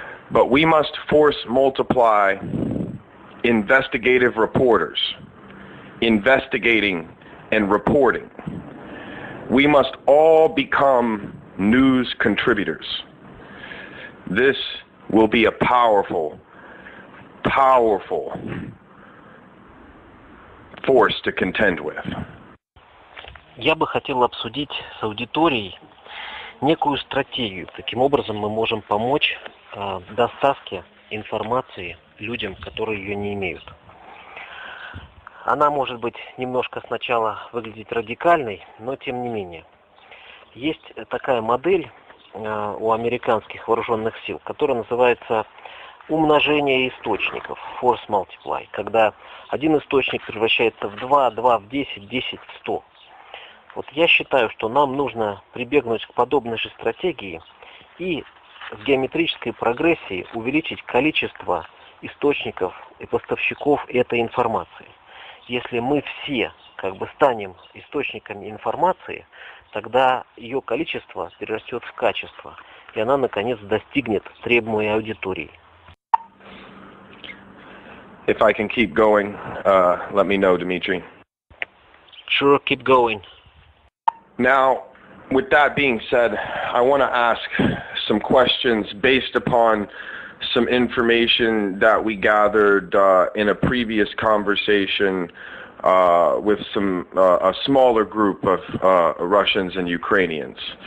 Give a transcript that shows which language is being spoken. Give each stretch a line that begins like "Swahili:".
English: But we must force multiply investigative reporters investigating and reporting. We must all become news contributors. This will be a powerful, powerful force to contend with.
Russian: Я бы хотел обсудить с аудиторией некую стратегию. Таким образом, мы можем помочь доставке информации людям, которые ее не имеют. Она может быть немножко сначала выглядеть радикальной, но тем не менее. Есть такая модель у американских вооруженных сил, которая называется умножение источников, force multiply, когда один источник превращается в 2, 2 в 10, 10 в 100. Вот я считаю, что нам нужно прибегнуть к подобной же стратегии и в геометрической прогрессии увеличить количество источников и поставщиков этой информации. Если мы все как бы станем источниками информации, тогда ее количество перерастет в качество, и она, наконец, достигнет требуемой аудитории.
English: If I can keep going, let me know, Dmitry. Sure, keep going. Now, with that being said, I want to ask some questions based upon some information that we gathered in a previous conversation with some a smaller group of Russians and Ukrainians.